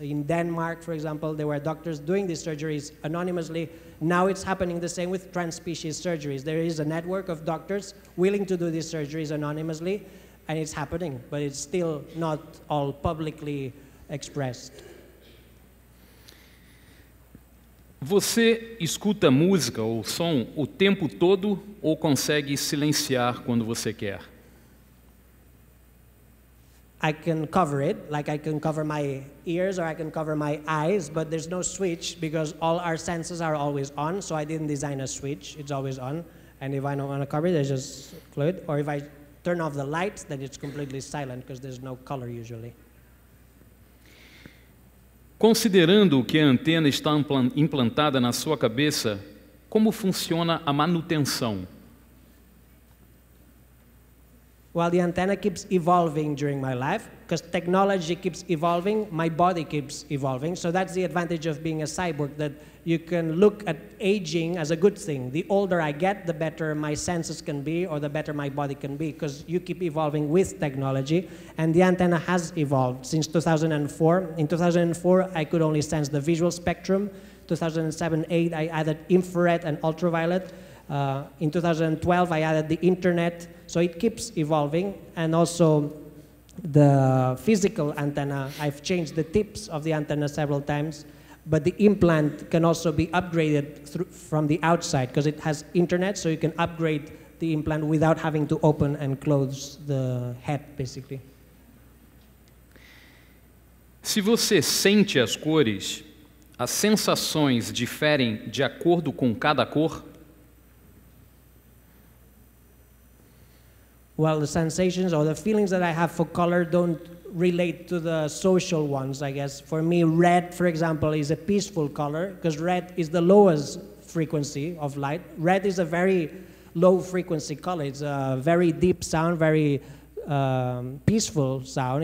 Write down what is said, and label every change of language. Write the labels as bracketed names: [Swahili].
[English] In Denmark, for example, there were doctors doing these surgeries anonymously. Now it's happening the same with transspecies surgeries. There is a network of doctors willing to do these surgeries anonymously, and it's happening, but it's still not all publicly expressed. [Portuguese] Você escuta música ou som o tempo todo ou consegue silenciar quando você quer? [English] I can cover it, like I can cover my ears or I can cover my eyes, but there's no switch because all our senses are always on, so I didn't design a switch, it's always on. And if I don't want to cover it, I just close it. Or if I turn off the light, then it's completely silent because there's no color usually. [Portuguese] Considerando que a antena está implantada na sua cabeça, como funciona a manutenção? [English] Well, the antenna keeps evolving during my life, because technology keeps evolving, my body keeps evolving. So that's the advantage of being a cyborg, that you can look at aging as a good thing. The older I get, the better my senses can be, or the better my body can be, because you keep evolving with technology. And the antenna has evolved since 2004. In 2004, I could only sense the visual spectrum. 2007-8, I added infrared and ultraviolet. In 2012, I added the internet. So it keeps evolving, and also the physical antenna, I've changed the tips of the antenna several times, but the implant can also be upgraded from the outside because it has internet, so you can upgrade the implant without having to open and close the head, basically. [Portuguese] Se você sente as cores, as sensações diferem de acordo com cada cor? [English] well, the sensations or the feelings that I have for color don't relate to the social ones, I guess. For me, red, for example, is a peaceful color because red is the lowest frequency of light. Red is a very low frequency color. It's a very deep sound, very peaceful sound.